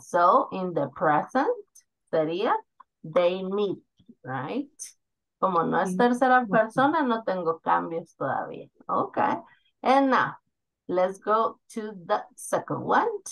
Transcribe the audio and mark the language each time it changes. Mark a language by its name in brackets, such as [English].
[English] So in the present sería they meet, right? [Spanish] Como no es tercera persona, no tengo cambios todavía. [English] Okay. And now, let's go to the second one.